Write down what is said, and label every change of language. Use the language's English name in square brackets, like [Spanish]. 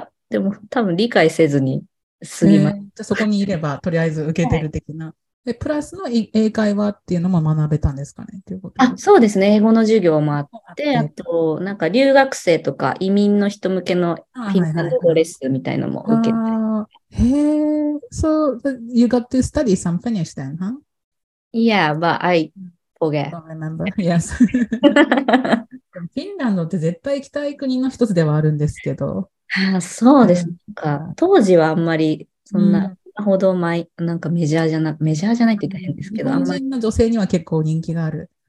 [Japanese] でも多分理解せずに過ぎます。じゃあそこにいればとりあえず受けてる的な。はい、プラスの英会話っていうのも学べたんですかねっていうこと。あ、そうですね。英語の授業もあって、あとなんか留学生とか移民の人向けのフィンランド語レッスンみたいのも受けて。へえ。 [English] So you got to study some Finnish then, huh? Yeah, but I forget. Don't remember. Yes. [Japanese] フィンランドって絶対行きたい国の一つではあるんですけど。そうですか。当時はあんまり、そんなほど前、なんかメジャーじゃな、メジャーじゃないって言ったら変ですけど、日本人の女性には結構人気がある。